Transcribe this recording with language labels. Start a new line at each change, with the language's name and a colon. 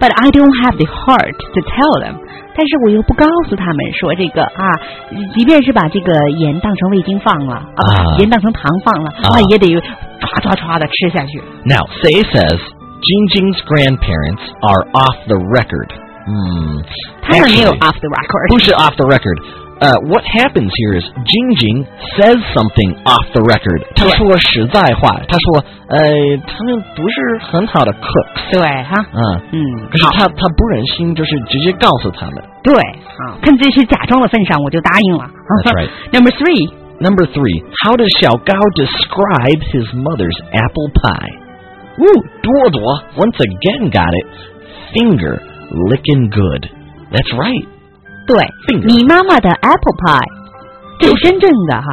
English: But I don't have the heart to tell them.
Chinese: 但是我又不告诉他们说这个啊，即便是把这个盐当成味精放了啊，盐当成糖放了啊，也得唰唰唰的吃下去。
English: Now, Say says, Jingjing's grandparents are off the record.
Chinese: 他们没有
English: off the record. Who's off the record? What happens here is Jingjing says something off the record.
Chinese: 他说实在话，他说，他们不是很好的 cooks. 对哈，可是他不忍心，就是直接告诉他们。对，好，看这些假装的份上，我就答应了。
English: That's right. Number three. How does 小高 describe his mother's apple pie? Ooh, 朵朵 once again got it. Finger licking good. That's right.
Chinese: 对你妈妈的 apple pie 就是真正的哈